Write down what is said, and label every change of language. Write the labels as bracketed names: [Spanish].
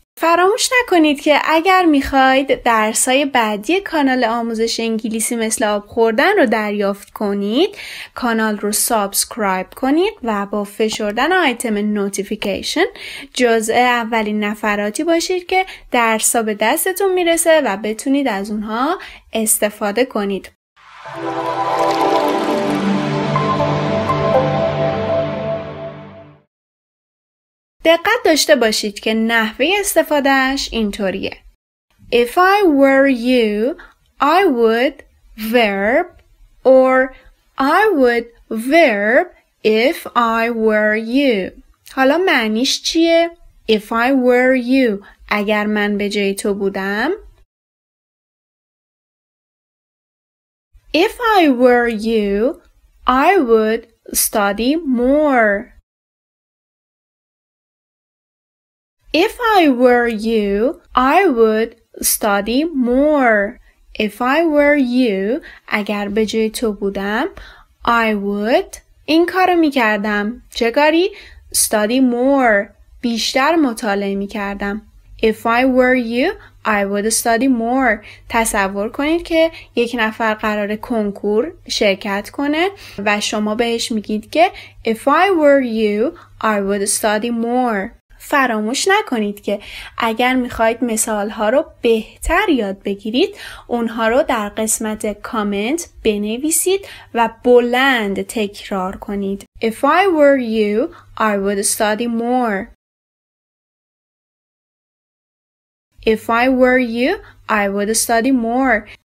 [Persian] فراموش نکنید که اگر می‌خواید درس‌های بعدی کانال آموزش انگلیسی مثل آب خوردن رو دریافت کنید، کانال رو سابسکرایب کنید و با فشردن آیتم نوتیفیکیشن جزء اولین نفراتی باشید که درس‌ها به دستتون میرسه و بتونید از اونها استفاده کنید. دقت داشته باشید که نحوه استفادهش اینطوریه. [English] If I were you, I would verb or I would verb if I were you. [Persian] حالا معنیش چیه؟ [English] If I were you, [Persian] اگر من به جای تو بودم. [English] If I were you, I would study more. If I were you, I would study more. If I were you, [Persian] اگر به جای تو بودم، [English] I would [Persian] این کارو می‌کردم. چه کاری؟ [English] Study more. [Persian] بیشتر مطالعه می‌کردم. [English] If I were you, I would study more. [Persian] تصور کنید که یک نفر قراره کنکور شرکت کنه و شما بهش میگید که [English] If I were you, I would study more. [Persian] فراموش نکنید که اگر میخواید مثالها رو بهتر یاد بگیرید، اونها رو در قسمت کامنت بنویسید و بلند تکرار کنید. [English] If I were you, I would study more. If I were you, I would study more.